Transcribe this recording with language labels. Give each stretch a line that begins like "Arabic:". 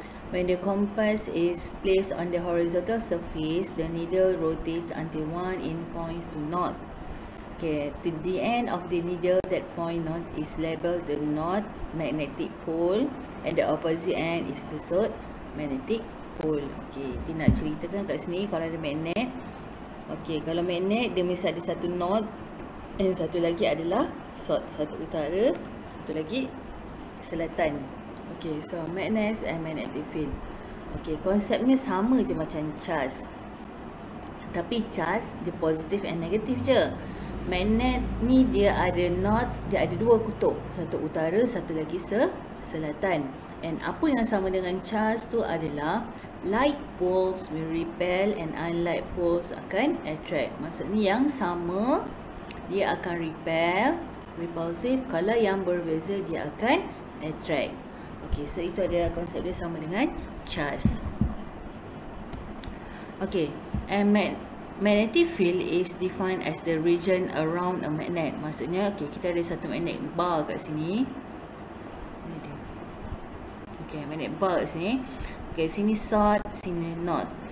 English: When the compass is placed on the horizontal surface, the needle rotates until one end points to north. Okay, to the end of the needle that point north is labeled the north magnetic pole and the opposite end is the south magnetic pole.
Malay: Okay, dia nak ceritakan kat sini kalau ada magnet. Okay, kalau magnet dia mesti ada satu north dan satu lagi adalah south, satu utara, satu lagi selatan.
English: Okay, so magnets and magnetic field. Okay,
Malay: konsepnya sama je macam cas. Tapi cas dia positif and negatif je. Magnet ni dia ada north, dia ada dua kutub, satu utara, satu lagi selatan.
English: And
Malay: apa yang sama dengan cas tu adalah
English: light poles will repel and unlike poles akan attract.
Malay: Maksudnya yang sama dia akan repel, repulsive. Kalau yang berbeza dia akan attract. Okay, so itu adalah konsep dia sama dengan cas.
English: Okay, and magnetic field is defined as the region around a magnet.
Malay: Maksudnya, okay, kita ada satu magnet bar kat sini. Okay, magnet bar kat sini. Okay, sini south, sini north.